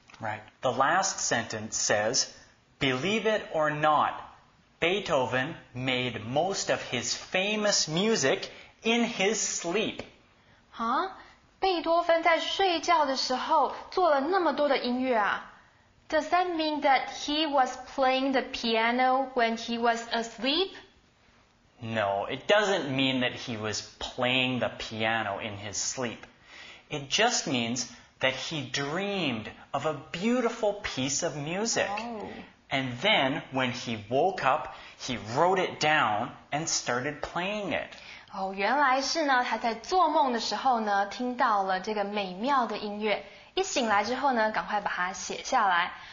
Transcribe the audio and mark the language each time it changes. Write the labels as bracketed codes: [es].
[en] Right, the last sentence says, believe it or not,Beethoven made most of his famous music in his sleep. 啊？ [zh] 贝多芬在睡觉的时候做了那么多的音乐啊？ [en] Does that mean that he was playing the piano when he was asleep? No, it doesn't mean that he was playing the piano in his sleep. It just means that he dreamed of a beautiful piece of music. Oh. And then, when he woke up, he wrote it down and started playing it. [zh] 哦，原来是呢，他在做梦的时候呢，听到了这个美妙的音乐。一醒来之后呢，赶快把它写下来。